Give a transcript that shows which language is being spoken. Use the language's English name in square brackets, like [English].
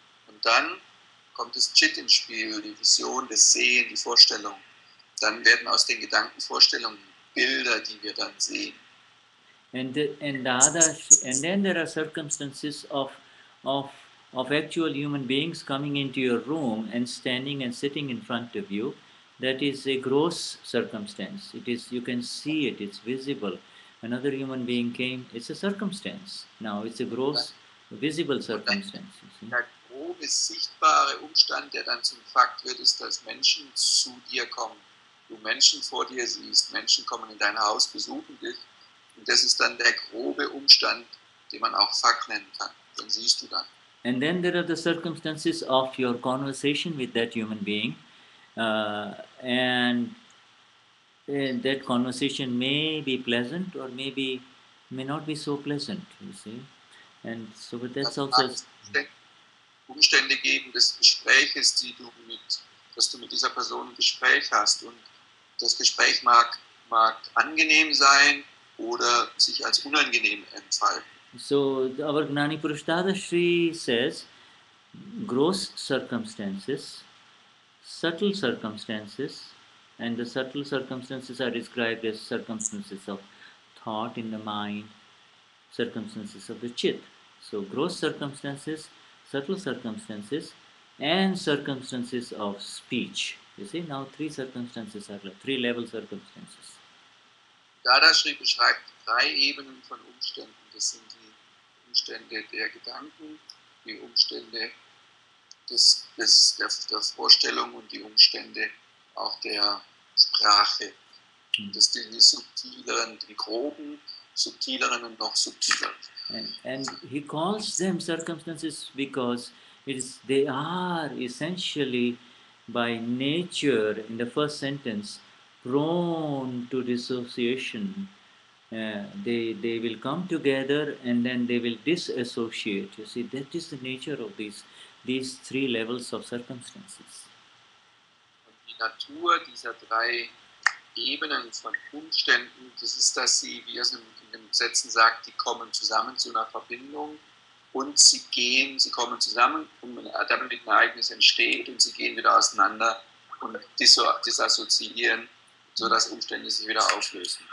[German] Und dann kommt das Chit ins Spiel, die Vision, das Sehen, die Vorstellung. Dann werden aus den Gedanken Vorstellungen Bilder, die wir dann sehen. [English] And then there are circumstances of actual human beings coming into your room and standing and sitting in front of you. That is a gross circumstance. It is, you can see it, it's visible. Another human being came, it's a circumstance. Now it's a gross, visible circumstance. [German] Der ohne sichtbare Umstand, der dann zum Fakt wird, ist, dass Menschen zu dir kommen. Du Menschen vor dir siehst, Menschen kommen in dein Haus, besuchen dich. Und das ist dann der grobe Umstand, den man auch Fakt nennen kann. Den siehst du dann. [English] And then there are the circumstances of your conversation with that human being. And that conversation may be pleasant or maybe may not be so pleasant, you see. And so, but that's also [German] Umstände geben des Gespräches, die du mit, dass du mit dieser Person ein Gespräch hast, und das Gespräch mag angenehm sein oder sich als unangenehm entfalten. [English] So, our Gnani Purush Dadashri says, gross circumstances, subtle circumstances, and the subtle circumstances are described as circumstances of thought in the mind, circumstances of the chit. So, gross circumstances, subtle circumstances, and circumstances of speech. You see, now three circumstances are like three level circumstances. [German] Dadashri beschreibt drei Ebenen von Umständen. Das sind die Umstände der Gedanken, die Umstände der Vorstellung und die Umstände auch der Sprache. Das sind die subtileren, die groben, subtileren und noch subtileren. [English] And he calls them circumstances because they are essentially by nature, in the first sentence, prone to dissociation. They will come together and then they will disassociate. You see, that is the nature of these three levels of circumstances. [German] Und die Natur dieser drei Ebenen von Umständen, das ist, dass sie, wie er es in den Sätzen sagt, die kommen zusammen zu einer Verbindung und sie kommen zusammen, damit ein Ereignis entsteht, und sie gehen wieder auseinander und disassoziieren, so dass Umstände sich wieder auflösen.